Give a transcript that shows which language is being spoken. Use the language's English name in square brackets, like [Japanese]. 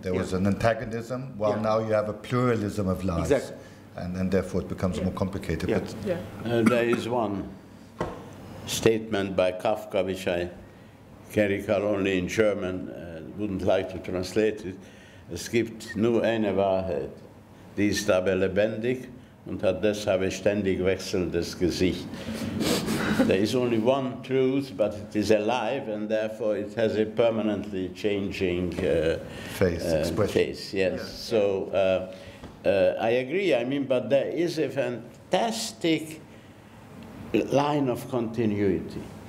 [English] There was an antagonism, while now you have a pluralism of lies. Exactly. And then therefore it becomes more complicated. Yeah. But there is one statement by Kafka, which I can recall only in German, and wouldn't like to translate it. [German] Es gibt nur eine Wahrheit, die ist aber lebendig und hat deshalb ein ständig wechselndes Gesicht. [English] There is only one truth, but it is alive, and therefore it has a permanently changing face. Yes. Yeah. So I agree. I mean, but there is a fantastic line of continuity.